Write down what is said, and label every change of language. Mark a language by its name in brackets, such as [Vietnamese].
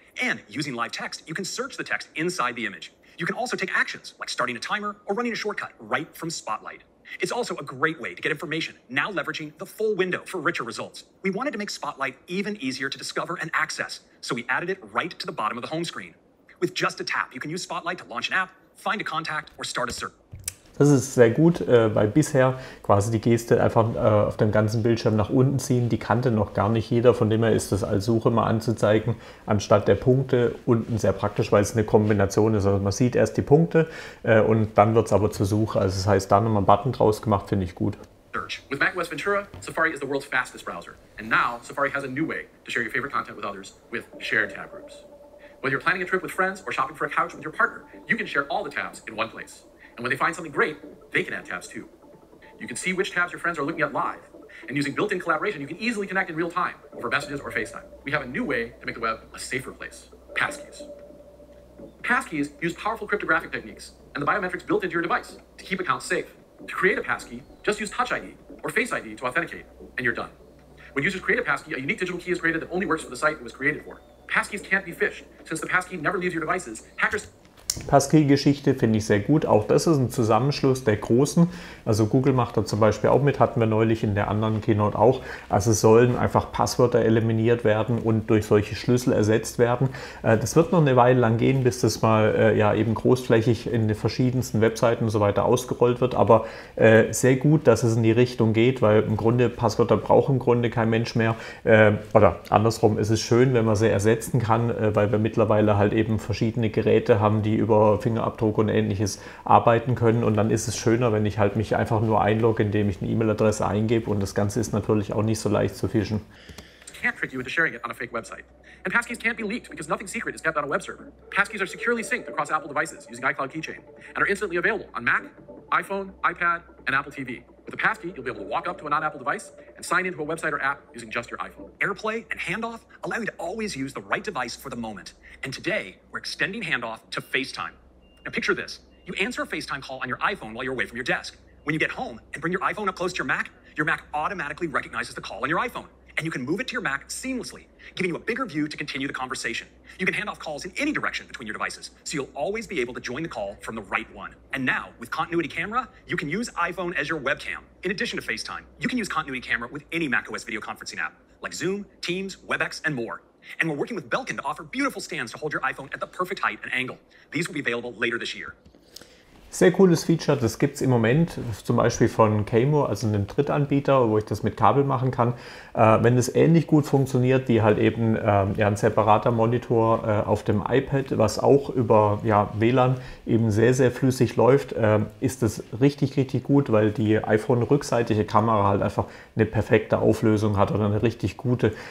[English] And using live text, you can search the text inside the image. You can also take actions, like starting a timer or running a shortcut right from Spotlight. It's also a great way to get information, now leveraging the full window for richer results. We wanted to make Spotlight even easier to discover and access, so we added it right to the bottom of the home screen. With just a tap, you can use Spotlight to launch an app, find a contact, or start a search. [German] Das ist sehr gut, weil bisher quasi die Geste einfach auf dem ganzen Bildschirm nach unten ziehen, die kannte noch gar nicht jeder, von dem her ist das als Suche mal anzuzeigen, anstatt der Punkte unten sehr praktisch, weil es eine Kombination ist. Also man sieht erst die Punkte und dann wird es aber zur Suche. Also das heißt, da nochmal einen Button draus gemacht, finde ich gut. [English] search. With macOS Ventura, Safari is the world's fastest browser. And now, Safari has a new way to share your favorite content with others with Share tab groups. Whether you're planning a trip with friends or shopping for a couch with your partner, you can share all the tabs in one place. And when they find something great, they can add tabs too. You can see which tabs your friends are looking at live. And using built-in collaboration, you can easily connect in real time over messages or FaceTime. We have a new way to make the web a safer place, passkeys. Passkeys use powerful cryptographic techniques and the biometrics built into your device to keep accounts safe. To create a passkey, just use Touch ID or Face ID to authenticate, and you're done. When users create a passkey, a unique digital key is created that only works for the site it was created for. Passkeys can't be phished, since the passkey never leaves your devices. Hackers... [German] Passkey-Geschichte finde ich sehr gut. Auch das ist ein Zusammenschluss der Großen. Also Google macht da zum Beispiel auch mit, hatten wir neulich in der anderen Keynote auch. Also sollen einfach Passwörter eliminiert werden und durch solche Schlüssel ersetzt werden. Das wird noch eine Weile lang gehen, bis das mal ja eben großflächig in den verschiedensten Webseiten und so weiter ausgerollt wird. Aber sehr gut, dass es in die Richtung geht, weil im Grunde Passwörter braucht im Grunde kein Mensch mehr. Oder andersrum ist es schön, wenn man sie ersetzen kann, weil wir mittlerweile halt eben verschiedene Geräte haben, die über Fingerabdruck und Ähnliches arbeiten können. Und dann ist es schöner, wenn ich halt mich einfach nur einlogge, indem ich eine E-Mail-Adresse eingebe. Und das Ganze ist natürlich auch nicht so leicht zu phischen. [English] Can't trick you into sharing it on a fake website. And passkeys can't be leaked because nothing secret is kept on a web server. Passkeys are securely synced across Apple devices using iCloud Keychain and are instantly available on Mac, iPhone, iPad and Apple TV. With a passkey, you'll be able to walk up to a non-Apple device and sign into a website or app using just your iPhone. AirPlay and Handoff allow you to always use the right device for the moment. And today, we're extending Handoff to FaceTime. Now picture this. You answer a FaceTime call on your iPhone while you're away from your desk. When you get home and bring your iPhone up close to your Mac automatically recognizes the call on your iPhone. And you can move it to your Mac seamlessly, giving you a bigger view to continue the conversation. You can hand off calls in any direction between your devices, so you'll always be able to join the call from the right one. And now, with Continuity Camera, you can use iPhone as your webcam. In addition to FaceTime, you can use Continuity Camera with any macOS video conferencing app, like Zoom, Teams, WebEx, and more. And we're working with Belkin to offer beautiful stands to hold your iPhone at the perfect height and angle. These will be available later this year. [German] Sehr cooles Feature, das gibt es im Moment zum Beispiel von Camo, also einem Drittanbieter, wo ich das mit Kabel machen kann. Wenn es ähnlich gut funktioniert, wie halt eben ein separater Monitor auf dem iPad, was auch über WLAN eben sehr, sehr flüssig läuft, ist das richtig, richtig gut, weil die iPhone-rückseitige Kamera halt einfach eine perfekte Auflösung hat oder eine richtig gute.